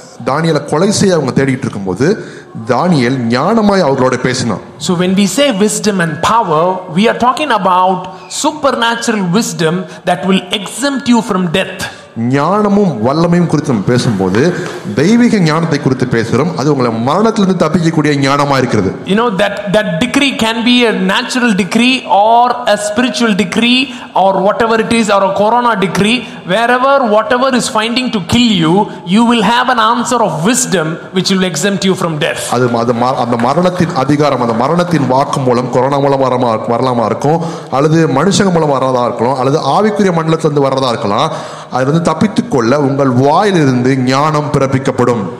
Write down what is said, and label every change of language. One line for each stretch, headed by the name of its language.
Tamil: Daniel கொலை செய்ய அவங்க தேடிட்டு இருக்கும்போது Daniel ஞானமாய் அவரோட பேசினான்.
English: So when we say wisdom and power, we are talking about supernatural wisdom that will exempt you from death.
Tamil: ஞானமும் வல்லமையும் குறித்து பேசும்போது தெய்வீக ஞானத்தை குறித்து பேசுறோம். அது உங்களை மரணத்திலிருந்து தப்பிக்கக்கூடிய ஞானமா இருக்குது.
English: You know that decree can be a natural decree or a spiritual decree or whatever it is, or a corona decree. Wherever whatever is finding to kill you will have an answer of wisdom which will exempt you from death.
Tamil: அது மரணத்தின் அதிகாரம், அந்த மரணத்தின் வாக்கு மூலம் corona மூலம் வரலாமா இருக்கும், அல்லது மனுஷங்க மூலம் வர்றதா இருக்கலாம், அல்லது ஆவிக்குரிய மண்டலத்திலிருந்து வர்றதா இருக்கலாம், அதிலிருந்து தப்பித்துக் கொள்ள உங்கள் வாயிலிருந்து ஞானம் பிறப்பிக்கப்படும்.